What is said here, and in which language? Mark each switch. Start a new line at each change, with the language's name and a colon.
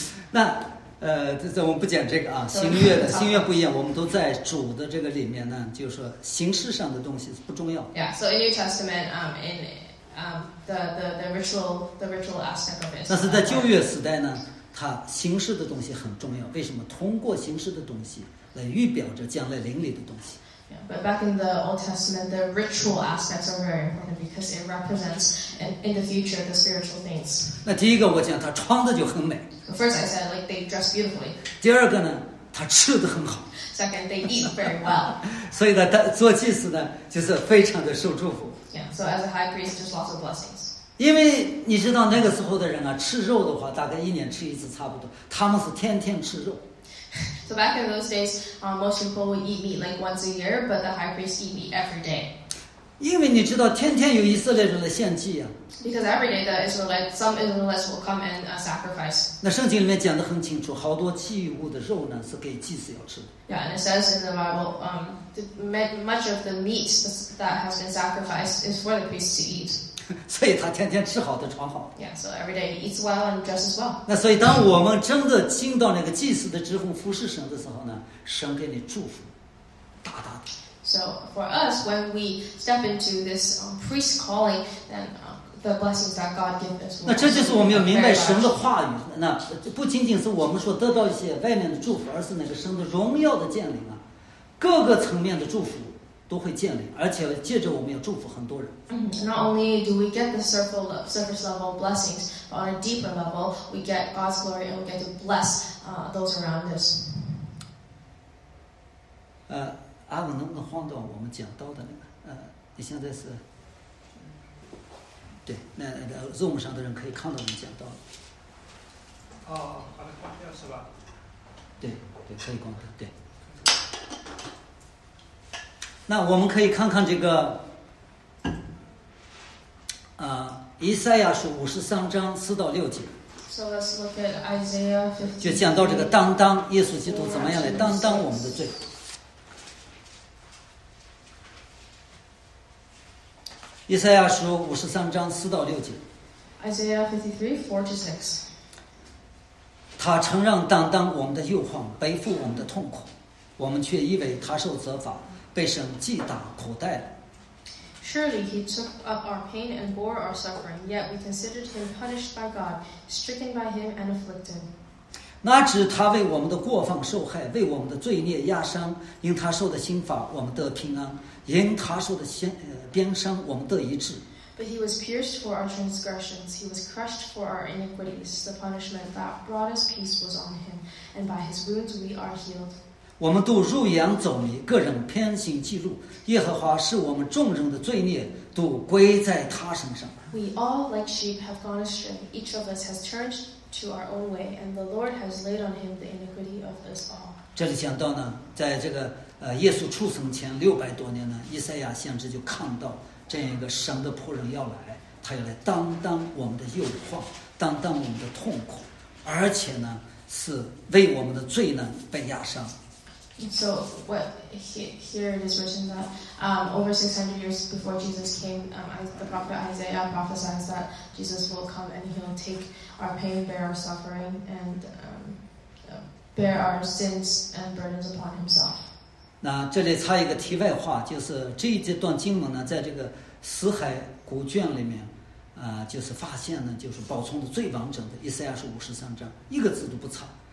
Chinese: 那这我们不讲这个啊，新月的新月不一样，我们都在主的这个里面呢，就是说形式上的东西不重要。
English: Yeah, so in New Testament, in the ritual aspect of it.
Chinese: 但是在旧约时代呢，它形式的东西很重要。为什么？通过形式的东西，来预表着将来灵里的东西。
English: Yeah, but back in the Old Testament, the ritual aspects are very important because it represents in the future the spiritual things.
Chinese: 那第一个我讲，他穿的就很美。
English: First, I said like they dress beautifully.
Chinese: 第二个呢，他吃的很好。
English: Second, they eat very well.
Chinese: 所以呢，他做祭司呢，就是非常的受祝福。
English: Yeah, so as a high priest, just lots of blessings.
Chinese: 因为你知道那个时候的人啊，吃肉的话，大概一年吃一次差不多，他们是天天吃肉。
English: So back in those days, most people would eat meat like once a year, but the high priest eat meat every day.
Chinese: 因为你知道，天天有以色列人来献祭啊。
English: Because every day the Israelites, some Israelites will come and sacrifice.
Chinese: 那圣经里面讲得很清楚，好多祭物的肉呢是给祭司要吃的。
English: Yeah, and it says in the Bible, much of the meat that has been sacrificed is for the priests to eat.
Chinese: 所以他天天吃好的，穿好的。
English: Yeah, so every day he eats well and dresses well.
Chinese: 那所以当我们真的进到那个祭司的职分，服侍神的时候呢，神给你祝福，大大的。
English: So for us, when we step into this priest calling, then the blessings that God gives us.
Chinese: 那这就是我们要明白神的话语。那不仅仅是我们说得到一些外面的祝福，而是那个神的荣耀的降临啊，各个层面的祝福。都会建立，而且借着我们要祝福很多人。
English: Not only do we get the surface level blessings, but on a deeper level, we get God's glory and we get to bless those around us.
Chinese: 阿文能不能换到我们讲到的那个？你现在是？对，那 Zoom 上的人可以看到我们讲到的。哦，把它关掉是吧？对，对，可以关掉，对。那我们可以看看这个，以赛亚书53:4-6。
English: So let's look at Isaiah 53.
Chinese: 就讲到这个担当，耶稣基督怎么样来担当我们的罪。以赛亚书53:4-6。
English: Isaiah 53:4-6。
Chinese: 他承让担当我们的忧患，背负我们的痛苦，我们却以为他受责罚。被神击打苦待了。
English: Surely he took up our pain and bore our suffering, yet we considered him punished by God, stricken by him and afflicted.
Chinese: 那指他为我们的过犯受害，为我们的罪孽压伤，因他受的刑罚我们得平安，因他受的鞭伤我们得医治。
English: But he was pierced for our transgressions, he was crushed for our iniquities, the punishment that brought us peace was on him, and by his wounds we are healed.
Chinese: 我们都入眼走迷，个人偏行己路。耶和华是我们众人的罪孽，都归在他身上。
English: We all like sheep have gone astray; each of us has turned to our own way, and the Lord has laid on him the iniquity of us all.
Chinese: 这里讲到呢，在这个耶稣出生前600多年呢，以赛亚先知就看到这样一个神的仆人要来，他要来担当我们的忧患，担当我们的痛苦，而且呢，是为我们的罪呢被压伤。
English: So here it is written that over 600 years before Jesus came, the prophet Isaiah prophesies that Jesus will come and he'll take our pain, bear our suffering, and bear our sins and burdens upon himself.
Chinese: 那这里插一个题外话，就是这一段经文呢，在这个死海古卷里面，就是发现呢，就是保存的最完整的，以赛亚书53，一个字都不差。